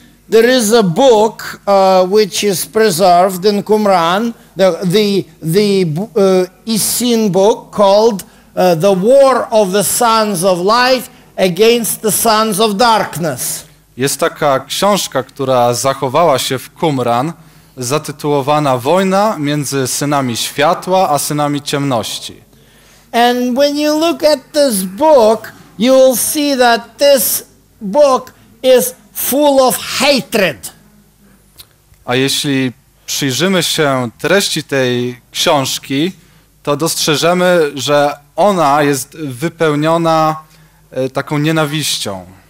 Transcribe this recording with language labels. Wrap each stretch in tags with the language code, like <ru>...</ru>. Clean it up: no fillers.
<en>There is a book which is preserved in Qumran, the Essene book called The War of the Sons of Light Against the Sons of Darkness.</en> <pl>Jest taka książka, która zachowała się w Qumran, zatytułowana Wojna między synami światła a synami ciemności.</pl> <en>And when you look at this book, you will see that this book is full of hatred.</en> <pl>A jeśli przyjrzymy się treści tej książki, to dostrzeżemy, że ona jest wypełniona taką nienawiścią.</pl>